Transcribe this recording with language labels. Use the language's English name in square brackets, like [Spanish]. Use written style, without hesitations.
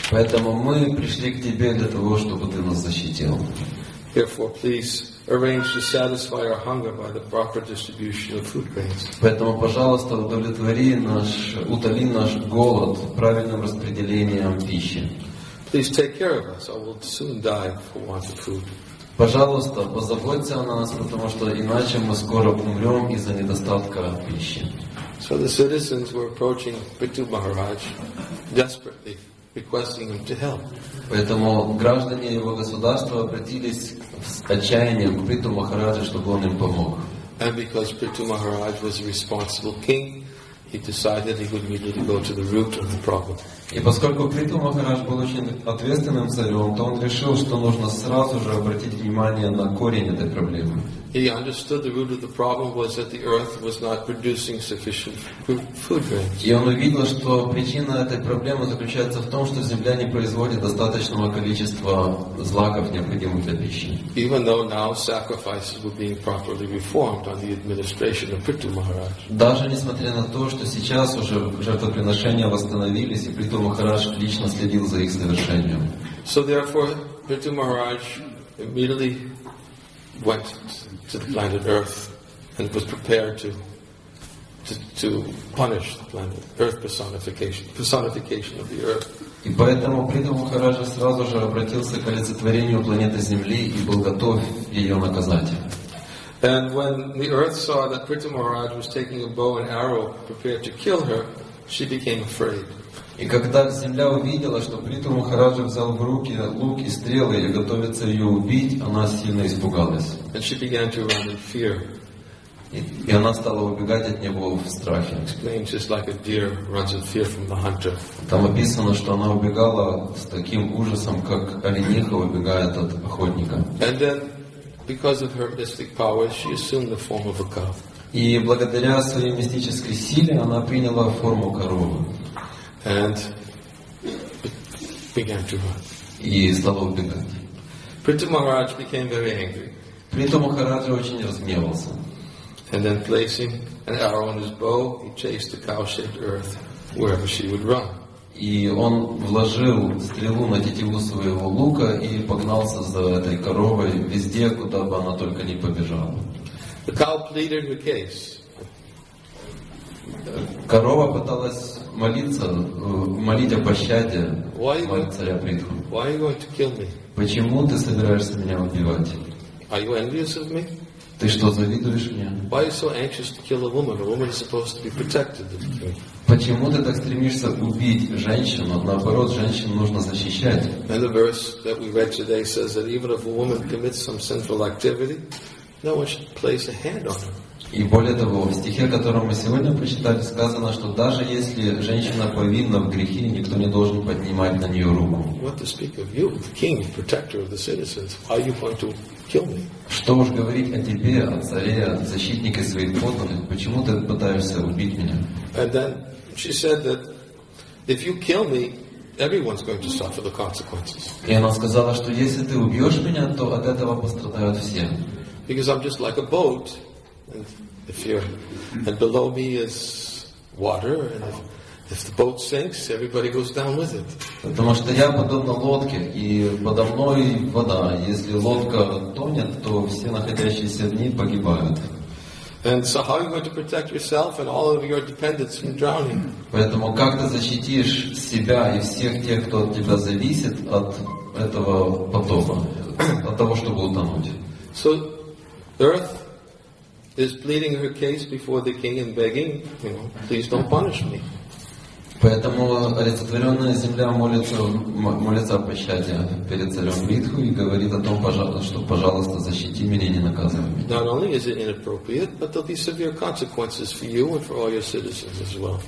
[Russian] Поэтому мы пришли к тебе для того, чтобы ты нас защитил. [English] Therefore, please arrange to satisfy our hunger by the proper distribution of food grains. [Russian] Поэтому, пожалуйста, утоли наш голод правильным распределением пищи. [English] Please take care of us. I will soon die for want of food. [Russian] Пожалуйста, позаботься о нас, потому что иначе мы скоро умрем из-за недостатка пищи. [English] So the citizens were approaching Pitu Maharaj desperately, requesting him to help. [Russian] Поэтому граждане его государства обратились с отчаянием к Питу Махараджу, чтобы он им помог. [English] And because Pitu Maharaj was a responsible king, he decided he would immediately go to the root of the problem. [Russian] И поскольку Питу Махарадж был очень ответственным царем, то он решил, что нужно сразу же обратить внимание на корень этой проблемы. [English] He understood the root of the problem was that the earth was not producing sufficient food grains. [Russian] И он увидел, что причина этой проблемы заключается в том, что земля не производит достаточного количества злаков, необходимых для пищи. [English] Even though now sacrifices were being properly reformed under the administration of Pitu Maharaj. [Russian] Даже несмотря на то, что сейчас уже жертвоприношения восстановились и Питу Махарадж лично следил за их совершением. [English] So therefore, Pitu Maharaj immediately went to the planet Earth and was prepared to punish the planet Earth personification of the Earth. [Russian] И поэтому Прита Махараджа сразу же обратился к олицетворению планеты Земли и был готов ее наказать. [English] And when the earth saw that Prita Maharaj was taking a bow and arrow prepared to kill her, she became afraid. [Russian] И когда земля увидела, что Прита Махараджа взял в руки лук и стрелы и готовится ее убить, она сильно испугалась. [English] And she began to run in fear. [Russian] И она стала убегать от него в страхе. [English] Explained just like a deer runs in fear from the hunter. [Russian] Там описано, что она убегала с таким ужасом, как олениха убегает от охотника. [English] And then, because of her mystic powers, she assumed the form of a cow. [Russian] И благодаря своей мистической силе она приняла форму коровы. [English] And began to run. [Russian] И стала убегать. [English] Prita Maharaj became very angry. [Russian] Прита Махараджа очень разгневался. [English] And then placing an arrow on his bow, he chased the cow-shaped earth wherever she would run. [Russian] И он вложил стрелу на тетиву своего лука и погнался за этой коровой везде, куда бы она только не побежала. [English] The cow pleaded the case. [Russian] Корова пыталась молиться, молить о пощаде царя Притху. [English] Why are you going to kill me? [Russian] Почему ты собираешься меня убивать? [English] Are you envious of me? [Russian] Ты что, завидуешь мне? [English] Why are you so anxious to kill a woman? A woman is supposed to be protected. [Russian] Почему ты так стремишься убить женщину? Наоборот, женщину нужно защищать. [English] And the verse that we read today says that even if a woman commits some sinful activity, no one should place a hand on her. [Russian] И более того, в стихе, который мы сегодня прочитали, сказано, что даже если женщина повинна в грехе, никто не должен поднимать на нее руку. [English] What to speak of you, the king, protector of the citizens? Why are you going to kill me? [Russian] Что уж говорить о тебе, о царе, о защитнике своих подданных? Почему ты пытаешься убить меня? [English] And then she said that if you kill me, everyone's going to suffer the consequences. [Russian] И она сказала, что если ты убьешь меня, то от этого пострадают все. [English] Because I'm just like a boat, and if you're, and below me is water, and if the boat sinks, everybody goes down with it. [Russian] Потому что я подобна лодке, и подо мной вода. Если лодка тонет, то все находящиеся в ней погибают. [English] And so how are you going to protect yourself and all of your dependents from drowning? [Russian] Поэтому как ты защитишь себя и всех тех, кто от тебя зависит от этого потока, от того, чтобы утонуть? [English] So Earth is pleading her case before the king and begging, you know, please don't punish me. [Russian] Поэтому олицетворенная земля молится о пощаде перед царем Притху и говорит о том, что, пожалуйста, защити меня и не наказывай меня. [English] Not only is it inappropriate, but there'll be severe consequences for you and for all your citizens as well.